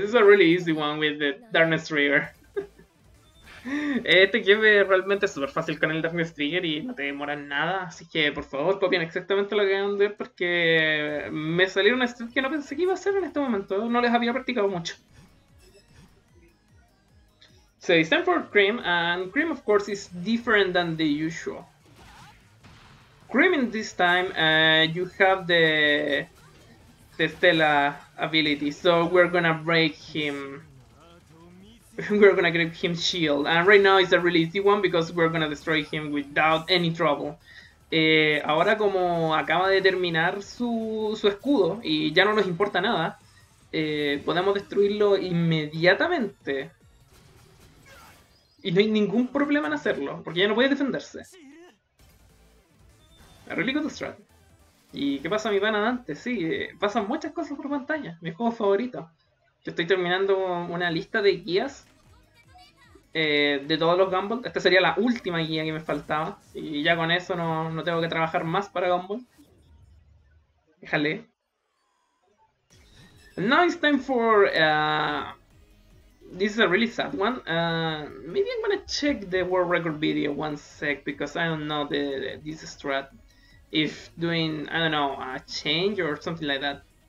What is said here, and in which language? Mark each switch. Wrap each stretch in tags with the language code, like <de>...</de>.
<en>This is a really easy one with the Darkness Trigger.</en> <es>Este jefe realmente es súper fácil con el Darkness Trigger y no te demora nada. Así que por favor copien exactamente lo que van a hacer porque me salió una stat que no pensé que iba a hacer en este momento. No les había practicado mucho.</es> <en>So it's time for Cream, and Cream of course is different than the usual. Cream in this time you have the Stella ability, so we're gonna break him. We're gonna grab him shield, and right now it's a really easy one because we're gonna destroy him without any trouble.</en> <es>Ahora como acaba de terminar su escudo y ya no nos importa nada, podemos destruirlo inmediatamente. Y no hay ningún problema en hacerlo, porque ya no puede defenderse.</es> <en>A really good strat.</en> <es>¿Y qué pasa, mi pana Dante? Sí, pasan muchas cosas por pantalla, mi juego favorito. Yo estoy terminando una lista de guías de todos los Gumball. Esta sería la última guía que me faltaba. Y ya con eso no tengo que trabajar más para Gumball. Jale.</es> <en>Now it's time for this is a really sad one. Maybe I'm gonna check the world record video one sec because I don't know this strat. If doing, I don't know, a change or something like that.</en>